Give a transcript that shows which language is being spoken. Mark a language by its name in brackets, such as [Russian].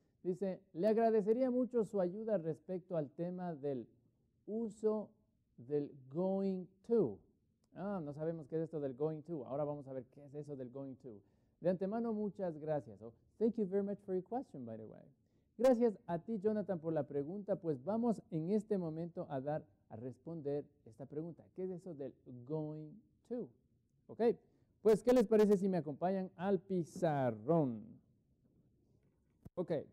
[Spanish] Dice, le agradecería mucho su ayuda respecto al tema del uso del going to. Ah, no sabemos qué es esto del going to. Ahora vamos a ver qué es eso del going to. De antemano, muchas gracias. [English] Oh, thank you very much for your question, by the way. [Spanish] Gracias a ti, Jonathan, por la pregunta. Pues vamos en este momento a responder esta pregunta. ¿Qué es eso del going to? Ok, pues ¿qué les parece si me acompañan al pizarrón? Ok.